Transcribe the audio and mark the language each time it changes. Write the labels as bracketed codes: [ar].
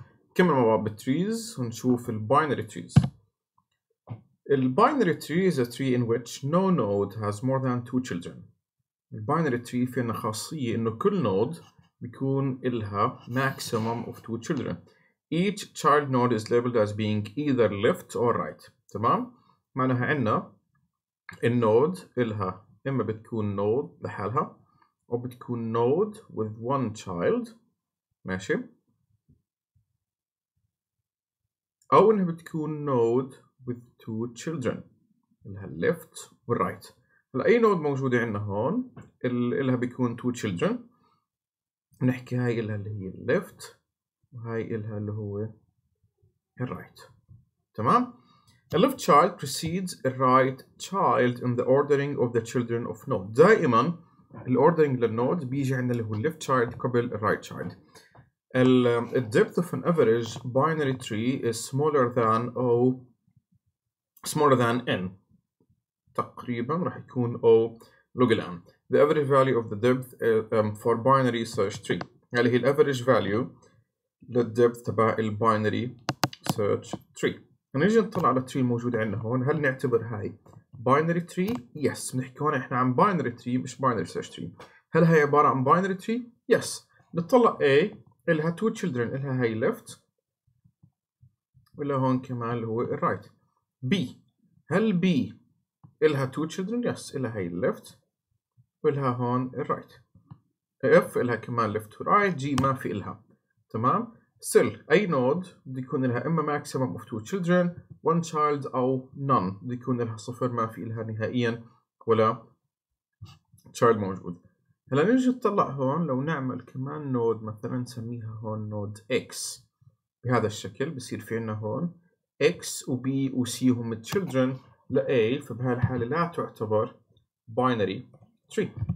[ar] نكمل مع بعض بالtrees ونشوف الباينري trees. [en] الباينري tree is a tree in which no node has more than two children. [ar] الباينري tree في خاصية إنه كل نود بيكون إلها [en] maximum of two children. Each child node is labeled as being either left or right. [ar] تمام؟ معناها عنا النود إلها إما بتكون نود لحالها أو بتكون نود [en] with one child. [ar] ماشي؟ أو إنها بتكون نود [en] with two children [ar] إلها left والright. أي نود موجودة عندنا هون إلها بيكون [en] two children. [ar] نحكي هاي إلها اللي هي left وهاي إلها اللي هو الright. تمام؟ [en] A left child precedes a right child in the ordering of the children of node. [ar] دائما الordering للنود بيجي عندنا اللي هو left child قبل right child. [en] The depth of an average binary tree is smaller than O, smaller than N. [ar] تقريبا راح يكون O log N. [en] The average value of the depth for binary search tree. [ar] يعني هي [en] average value [ar] للdepth تبع البينري search tree. هنيجي نطلع على tree موجود عندنا هون. هل نعتبر هاي binary tree? Yes. بنحكي هون احنا عن binary tree مش binary search tree. هل هي عبارة عن binary tree? Yes. نطلع A. إلها [en] two children. [ar] إلها هاي left وإلها هون كمان اللي هو right. B. هل B إلها two children? [en] Yes. [ar] إلها هاي left وإلها هون right. F. إلها كمان left right. G. ما في إلها. تمام؟ Still. أي node بدي يكون إلها إما [en] maximum of two children, one child [ar] أو none. بدي يكون إلها صفر ما في إلها نهائيا ولا child موجود. هلا نيجي نطلع هون لو نعمل كمان نود مثلا نسميها هون نود X بهذا الشكل بصير في عنا هون X و B و C هم children ل A فبهالحالة لا تعتبر binary tree.